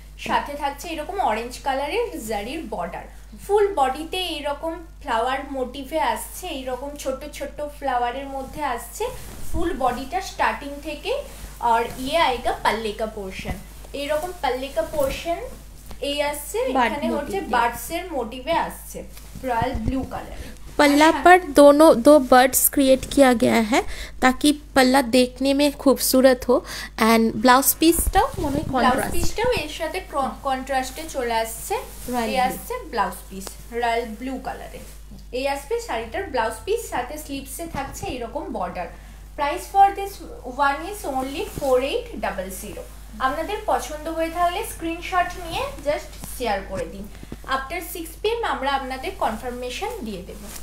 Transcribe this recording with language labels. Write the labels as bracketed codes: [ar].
[bn] সাথে থাকছে এরকম অরেঞ্জ কালারের জারির বর্ডার, ফুল বডিতে এইরকম ফ্লাওয়ার মোটিভে আসছে, এইরকম ছোট্ট ছোট্ট ফ্লাওয়ারের মধ্যে আসছে ফুল বডিটা স্টার্টিং থেকে। আর [hi] ইয়ে আয়গা [bn] পাল্লিকা পোর্শন, এইরকম পাল্লিকা পোর্শন এই আসছে, এখানে হচ্ছে বার্ডস এর মোটিভে আসছে রয়াল ব্লু কালার। [hi] पल्ला पर दोनों दो बर्ड्स क्रिएट किया गया है ताकि पल्ला देखने में खूबसूरत हो एंड ब्लाउज पीस [bn] टाव मने कंट्रास्ट पीस टाव এর সাথে কন্ট্রাস্টে চলে আসছে এই আসছে ব্লাউজ পিস রয়্যাল ব্লু কালারে এই আসছে শাড়িটার ব্লাউজ পিস সাথে স্লিপসে থাকছে এরকম border. [en] Price for this one is only 4800। [bn] আপনাদের পছন্দ হয়ে থাকলে স্ক্রিনশট নিয়ে জাস্ট শেয়ার করে দিন, আফটার 6 PM আমরা আপনাদের কনফার্মেশন দিয়ে দেব।